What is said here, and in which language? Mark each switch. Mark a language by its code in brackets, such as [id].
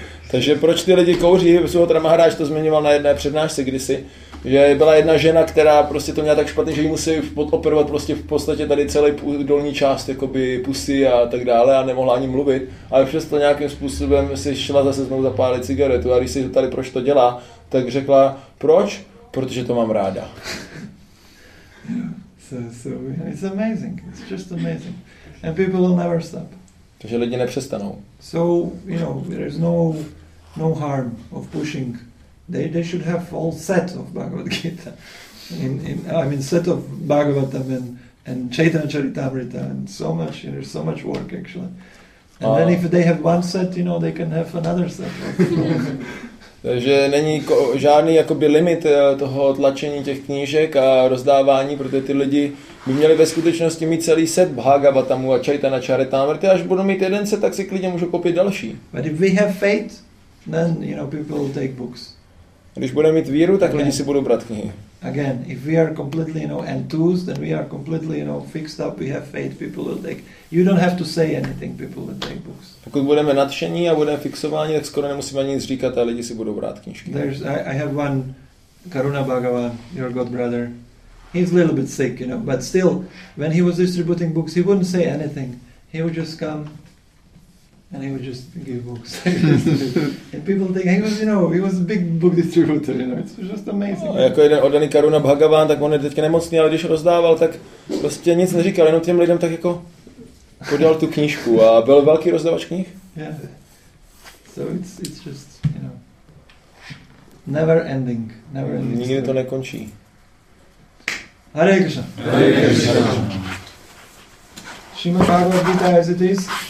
[cs] Takže proč ty lidi kouří? Suhatra Maharaj to zmiňoval na jedné přednášce kdysi, že byla jedna žena, která prostě to měla tak špatně, že jí museli podoperovat prostě v podstatě tady celý dolní část jakoby pusy a tak dále a nemohla ani mluvit, ale přesto nějakým způsobem si šla zase znovu zapálit cigaretu a když si tady proč to dělá, tak řekla, proč? Protože to mám ráda. [en] So it's amazing. It's just amazing, and people will never stop. [cs] Takže lidi nepřestanou. [en] So you know, there is no harm of pushing. They should have all set of Bhagavad Gita, in I mean set of Bhagavatam and Chaitanya Charitamrita and so much, you know, so much work actually. And then if they have one set, you know, they can have another set. [cs] Takže není žádný jakoby limit toho tlačení těch knížek a rozdávání, protože ty lidi by měli ve skutečnosti mít celý set Bhagavatamu a Chaitanya Charitamrita, až budou mít jeden set, tak si klidně můžu koupit další. [en] But if we have faith, then, you know, people will take books. [cs] Když budeme mít víru, tak lidi si budou brát knihy. [en] Again, if we are completely, you know, enthused, then we are completely, you know, fixed up, we have faith, people will take. You don't have to say anything, people will take books. [cs] Pokud budeme nadšení a budeme fixováni, tak skoro nemusíme ani nic říkat a lidi si budou brát knížky. [en] There's, I have one, Karuna Bhagava, your god brother. He's a little bit sick, you know, but still, when he was distributing books, he wouldn't say anything. He would just come and he would just give books. And people think, he was, you know, he was a big book distributor, you know, it's just amazing. [cs] No, jako jeden oddaný Karuna Bhagavan, tak on je teďka nemocný, ale když rozdával, tak prostě nic neříkal, jenom těm lidem tak jako podal tu knížku a byl velký rozdavač knih. [en] Yeah. So it's just, you know, never ending, never ending. [cs] Nikdy to nekončí. [en] Hare Krishna. Hare Krishna. Shrimad Bhagavad Gita as it is.